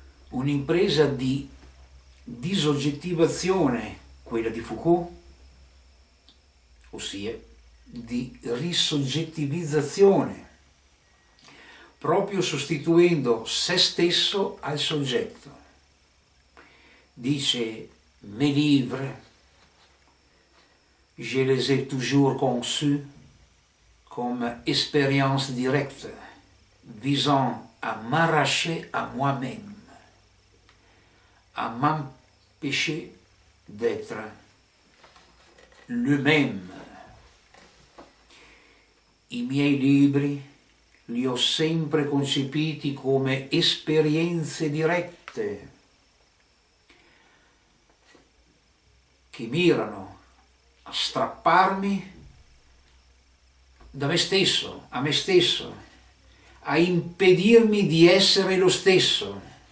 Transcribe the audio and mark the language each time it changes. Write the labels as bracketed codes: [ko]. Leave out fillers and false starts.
[it] Un'impresa di disoggettivazione, quella di Foucault, ossia di risoggettivizzazione, proprio sostituendo se stesso al soggetto. [fr] Dice, me livre, je les ai toujours conçus comme expérience directe, visant à m'arracher à moi-même, à m'empêcher d'être le même. [it] I miei libri li ho sempre concepiti come esperienze dirette che mirano a strapparmi da me stesso, a me stesso, a impedirmi di essere lo stesso.